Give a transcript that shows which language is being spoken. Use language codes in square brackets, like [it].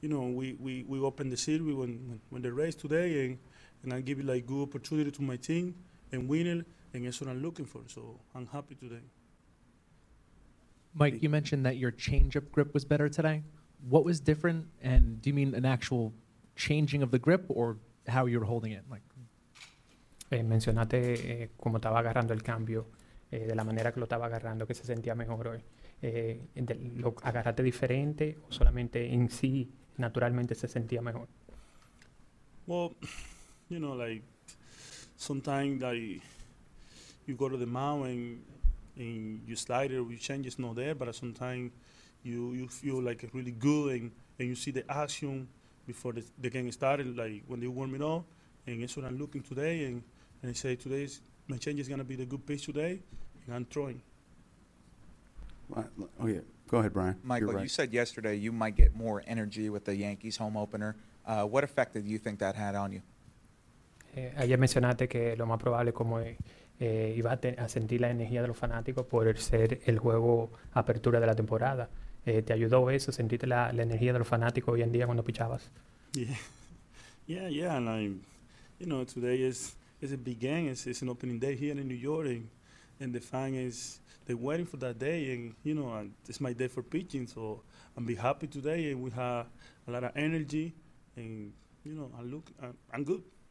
[en] you know, we opened the seat when they raced today, and I give it like good opportunity to my team and win it, and that's what I'm looking for. So I'm happy today. Mike, you mentioned that your changeup grip was better today. What was different, and do you mean an actual changing of the grip or how you were holding it? [es] Mencionaste cómo estaba agarrando el cambio, de la manera que lo estaba agarrando, que se sentía mejor hoy. ¿Lo agarraste diferente o solamente en sí naturalmente se sentía mejor? [en] Well, you know, like, sometimes like, you go to the mound and you slide it, you change, it's not there, but sometimes you feel like it's really good and you see the action before the game started, like when they warm it up, and that's what I'm looking today, and I say today's my change is going to be the good pitch today, and I'm throwing. Oh yeah, go ahead, Brian. Michael, right. You said yesterday you might get more energy with the Yankees home opener. What effect did you think that had on you? [es] Ayer mencionaste que lo más probable como iba a sentir la energía de los fanáticos por ser el juego apertura de la temporada. ¿Te ayudó eso? ¿Sentiste la energía de los fanáticos hoy en día cuando pichabas? [en] Yeah. And I'm, you know, today is a big game. It's an opening day here in New York, and the fan is they're waiting for that day. And you know, it's my day for pitching, so I'm be happy today. And we have a lot of energy, and you know, I'm good.